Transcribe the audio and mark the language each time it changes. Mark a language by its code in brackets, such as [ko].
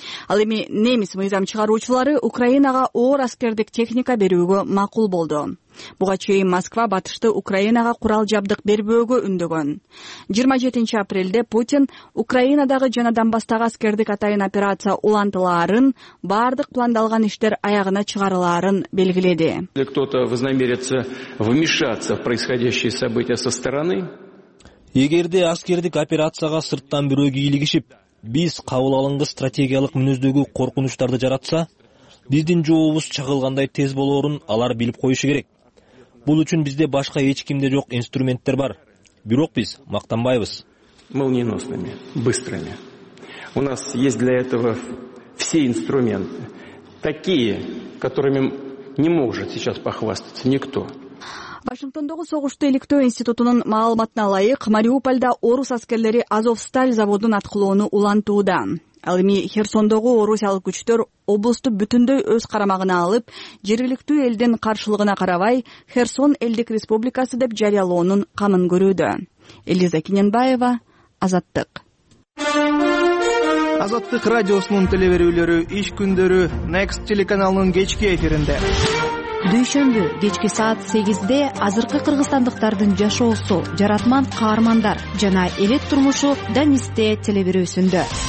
[ky] Ал эми немис мыйзам чыгаруучулары Украинага оор аскердик техника берүүгө макул болду. Буга чейин Москва батышты Украинага курал жабдык бербөөгө үндөгөн. 27 апрелде Путин Украинадагы жана Донбасстагы аскердик атайын операция улантылаарын, бардык пландалган иштер аягына чыгарылаарын белгиледи. [ru] Кто-то вознамерится вмешаться в происходящие события со стороны. [ky] Эгерде аскердик операцияга сырттан бирөө кийлигишип, биз кабыл алынды стратегиялык мүнөздөгү коркунучтарды жаратса, биздин жообубуз чагылгандай тез болоорун алар билип коюшу керек. Бул үчүн бизде башка эч кимде жок инструменттер бар. Бирок биз мактанбайбыз. [ru] Молниеносными, быстрыми. У нас есть для этого все инструменты. Такие, которыми не может сейчас похвастаться никто. [ky] Вашингтондогу согушту электоо институтунун маалыматына ылайык, Мариупольда орус аскерлери Азовсталь заводун аткылоону улантууда. Ал эми Херсондогу орусиялык күчтөр облусту бүтүндөй өз карамагына алып, жергиликтүү элдин каршылыгына карабай, Херсон элдик республикасы деп жарыялоонун камын көрүүдө. Элиза Кененбаева, Азаттык. Азаттык радиосунун телеберүүлөрү иш күндөрү Next телеканалынын кечки эфиринде. Дүйшөмбү кечки саат 8:00 азыркы кыргызстандыктардын жашоосу, жаратман каармандар жана элет турмушу Данисте телеберүүсүндө.